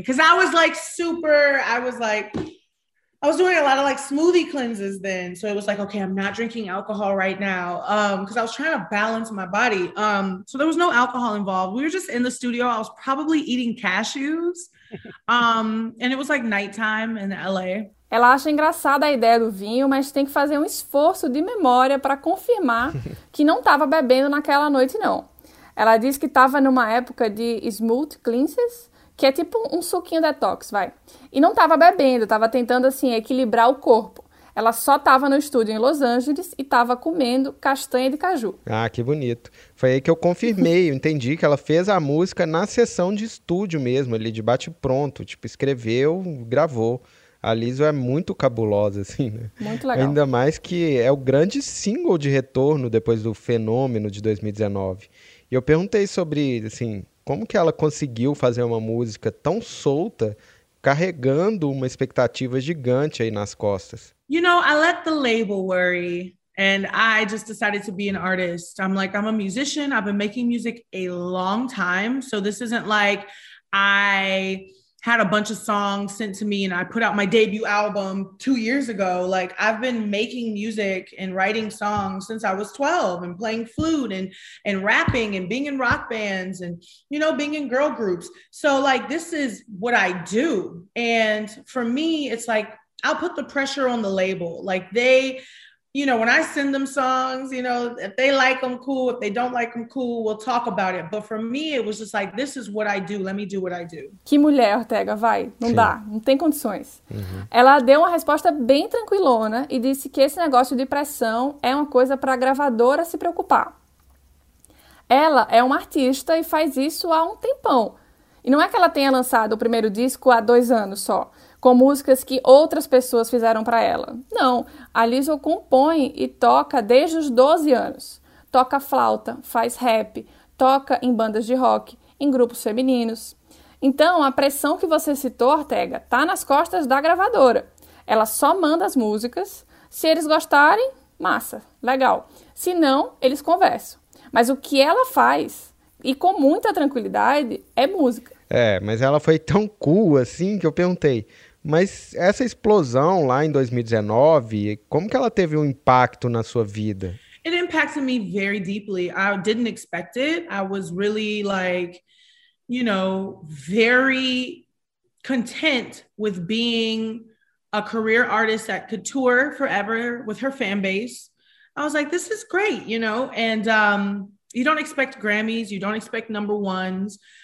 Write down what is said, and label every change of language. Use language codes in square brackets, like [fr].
[en] Because I was like super, I was doing a lot of like smoothie cleanses then. So it was like, okay, I'm not drinking alcohol right now. Because I was trying to balance my body. So there was no alcohol involved. We were just in the studio. I was probably eating cashews. And it was like nighttime in LA. [pt] Ela acha engraçada a ideia do vinho, mas tem que fazer um esforço de memória para confirmar que não estava bebendo naquela noite, não. Ela diz que estava numa época de smooth cleanses, que é tipo um suquinho detox, vai. E não estava bebendo, estava tentando assim equilibrar o corpo. Ela só estava no estúdio em Los Angeles e estava comendo castanha de caju. Ah, que bonito. Foi aí que eu confirmei, eu entendi que ela fez a música na sessão de estúdio mesmo, ali de bate-pronto, tipo, escreveu, gravou. A Lizzo é muito cabulosa, assim, né? Muito legal. Ainda mais que é o grande single de retorno depois do fenômeno de 2019. E eu perguntei sobre, assim, como que ela conseguiu fazer uma música tão solta, carregando uma expectativa gigante aí nas costas. [en] You know, I let the label worry, and I just decided to be an artist. I'm like, I'm a musician, I've been making music a long time, so this isn't like I had a bunch of songs sent to me and I put out my debut album 2 years ago. Like, I've been making music and writing songs since I was 12 and playing flute and rapping and being in rock bands and, you know, being in girl groups. So like, this is what I do. And for me, it's like, I'll put the pressure on the label. Like, they, you know, when I send them songs, you know, if they like them, cool. If they don't like them, cool. We'll talk about it. But for me, it was just like, this is what I do. Let me do what I do. [pt] Que mulher, Ortega, vai. Não Sim. dá. Não tem condições. Uhum. Ela deu uma resposta bem tranquilona e disse que esse negócio de pressão é uma coisa para a gravadora se preocupar. Ela é uma artista e faz isso há um tempão. E não é que ela tenha lançado o primeiro disco há 2 anos só, com músicas que outras pessoas fizeram para ela. Não, a Lizzo compõe e toca desde os 12 anos. Toca flauta, faz rap, toca em bandas de rock, em grupos femininos. Então, a pressão que você citou, Ortega, tá nas costas da gravadora. Ela só manda as músicas. Se eles gostarem, massa, legal. Se não, eles conversam. Mas o que ela faz, e com muita tranquilidade, é música. É, mas ela foi tão cool assim que eu perguntei. Mas essa explosão lá em 2019, como que ela teve um impacto na sua vida? [en] It impacted me very deeply. I didn't expect it. I was really like, you know, very content with being a career artist that could tour forever with her fan base. I was like, this is great, you know? And you don't expect Grammys, you don't expect number ones.